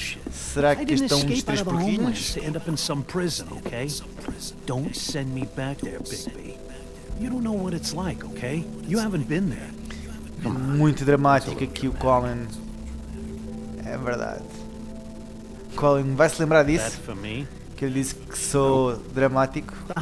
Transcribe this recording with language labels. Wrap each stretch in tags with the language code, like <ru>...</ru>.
<pt>Será que estão uns três porquinhos?</pt> <en>End up in some prison, okay? Don't send me back there, Bigsby. You don't know what it's like, okay? You haven't been there.</en> <pt>Muito dramático aqui o Colin. É verdade. Colin vai-se lembrar disso? Que ele disse que sou dramático?</pt>